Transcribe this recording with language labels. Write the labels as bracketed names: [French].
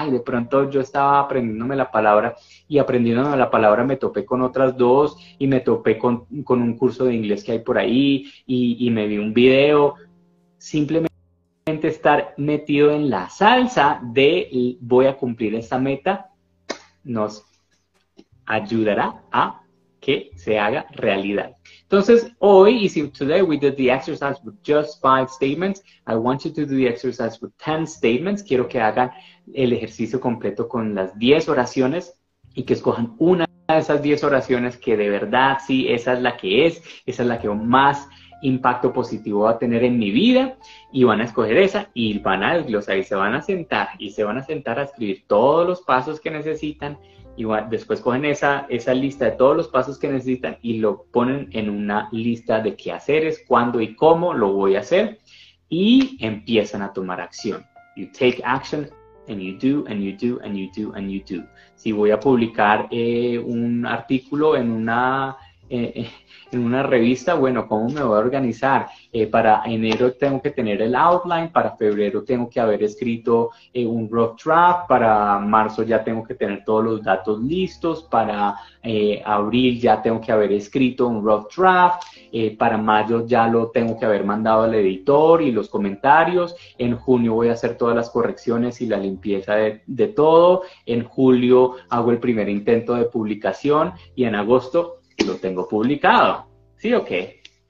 [Spanish] Ay, de pronto yo estaba aprendiéndome la palabra y aprendiéndome la palabra me topé con otras dos y me topé con un curso de inglés que hay por ahí y me vi un video. Simplemente estar metido en la salsa de voy a cumplir esta meta nos ayudará a que se haga realidad. Entonces, hoy, y si [English] today we did the exercise with just 5 statements, I want you to do the exercise with 10 statements. [Spanish] Quiero que hagan el ejercicio completo con las 10 oraciones y que escojan una de esas 10 oraciones que de verdad, sí, esa es la que es, esa es la que más impacto positivo va a tener en mi vida, y van a escoger esa y van a desglosar y se van a sentar a escribir todos los pasos que necesitan. Igual, después cogen esa lista de todos los pasos que necesitan y lo ponen en una lista de qué hacer, es cuándo y cómo lo voy a hacer, y empiezan a tomar acción. [English] You take action and you do and you do and you do and you do. [Spanish] Si voy a publicar un artículo en una revista, bueno, ¿cómo me voy a organizar? Para enero tengo que tener el outline, para febrero tengo que haber escrito un rough draft, para marzo ya tengo que tener todos los datos listos, para abril ya tengo que haber escrito un rough draft, para mayo ya lo tengo que haber mandado al editor y los comentarios, en junio voy a hacer todas las correcciones y la limpieza de todo, en julio hago el primer intento de publicación y en agosto lo tengo publicado. ¿Sí o qué?